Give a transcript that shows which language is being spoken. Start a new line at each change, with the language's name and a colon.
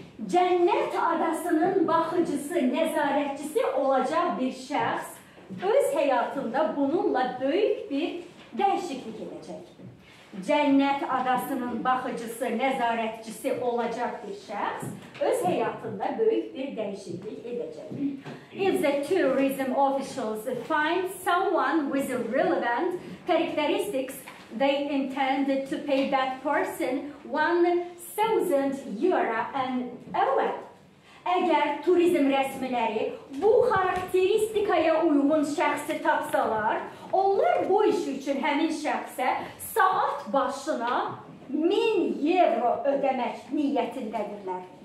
Azerbaijani: Cennet adasının bakıcısı, nezaretçisi olacak bir şahs öz hayatında bununla büyük bir değişiklik edecek. Cennet adasının bakıcısı, nezaretçisi olacak bir şahs öz hayatında büyük bir değişiklik edecek.
English: If the tourism officials find someone with relevant characteristics, they intend to pay that person 1,000 euro an hour.
Azerbaijani: Eğer turizm resmileri bu karakteristikaya uygun şahsı tapsalar, onlar bu iş için hemen şahse saat başına 1000 euro ödemek niyetindedirler.